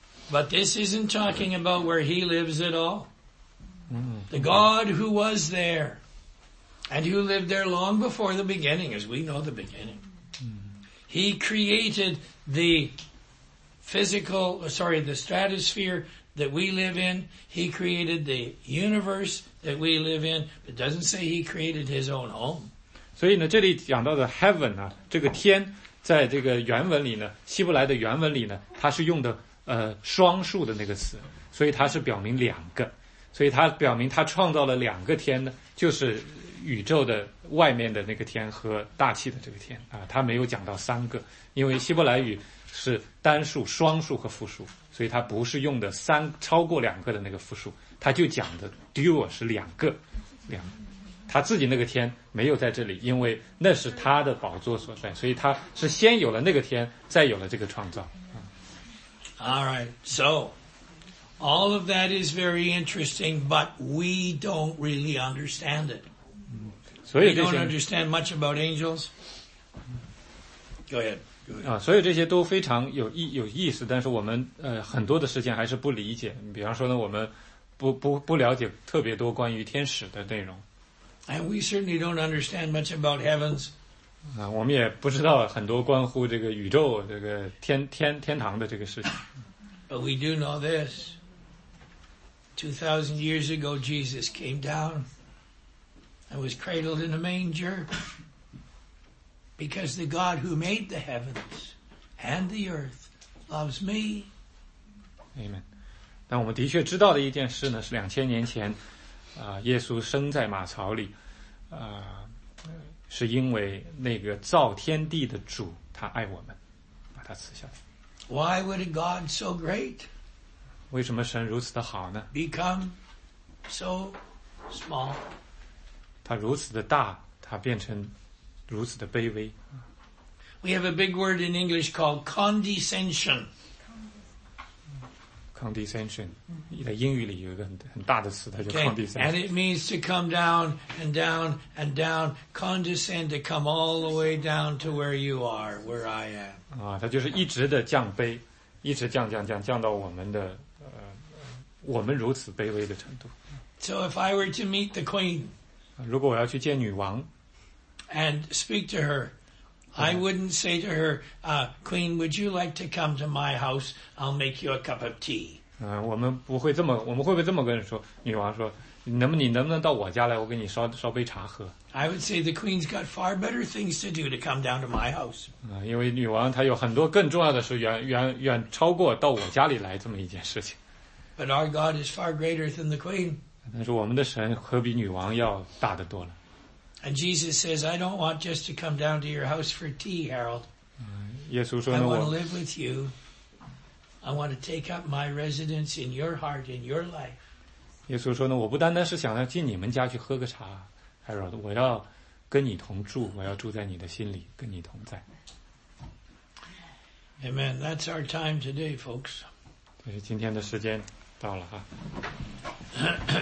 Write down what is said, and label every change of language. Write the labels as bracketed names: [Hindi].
[English] But this isn't talking about where he lives at all. The God who was there and who lived there long before the beginning, as we know the beginning. He created the the stratosphere that we live in. He created the universe that we live in. It doesn't say he created his own home. [Chinese] 所以呢，这里讲到的 heaven 啊，这个天，在这个原文里呢，希伯来的原文里呢，它是用的双数的那个词，所以它是表明两个。所以他表明他创造了两个天呢，就是宇宙的外面的那个天和大气的这个天啊，他没有讲到三个，因为希伯来语是单数、双数和复数，所以他不是用的三超过两个的那个复数，他就讲的 dual 是两个，他自己那个天没有在这里，因为那是他的宝座所在，所以他是先有了那个天，再有了这个创造。 [English] All right, so. All of that is very interesting, but we don't really understand it. We don't understand much about angels. Go ahead. [Chinese] 所有这些都非常有意思，但是我们很多的事情还是不理解。比方说呢，我们不了解特别多关于天使的内容。 [English] And we certainly don't understand much about heavens. [Chinese] 我们也不知道很多关乎这个宇宙、这个天堂的这个事情。 [English] But we do know this. 2,000 years ago, Jesus came down and was cradled in a manger because the God who made the heavens and the earth loves me. Amen. [Chinese] 但我们的确知道的一件事呢，是2000年前，耶稣生在马槽里，是因为那个造天地的主，他爱我们，把他赐下来。 [English] Why would a God so great? [Chinese] 为什么神如此的好呢 [English] ?Become so small. [Chinese] 他如此的大他变成如此的卑微。 [English] We have a big word in English called condescension. [Chinese] Condescension. 在英语里有一个很大的词它叫 condescension. [English] Okay. And it means to come down and down and down, condescend to come all the way down to where you are, where I am. [Chinese] 它就是一直的降卑一直降到我们的我们如此卑微的程度。 [English] So if I were to meet the queen, [Chinese] 如果我要去见女王 [English] and speak to her, I wouldn't say to her, Queen, would you like to come to my house? I'll make you a cup of tea. [Chinese] 我们会不会这么跟人说？女王说，你能不能到我家来？我给你烧杯茶喝。 [English] I would say the queen's got far better things to do to come down to my house. [Chinese] 因为女王她有很多更重要的事，远超过到我家里来这么一件事情。 [English] But our God is far greater than the queen. [Chinese] 但是我们的神可比女王要大得多了。 [English] And Jesus says, I don't want just to come down to your house for tea, Harold. Yes, I want to live with you. I want to take up my residence in your heart, in your life. [Chinese] 耶稣说呢，我不单单是想要进你们家去喝个茶 ，Harold， 我要跟你同住，我要住在你的心里，跟你同在。 [English] Amen. That's our time today, folks. [Chinese] 这是今天的时间到了哈。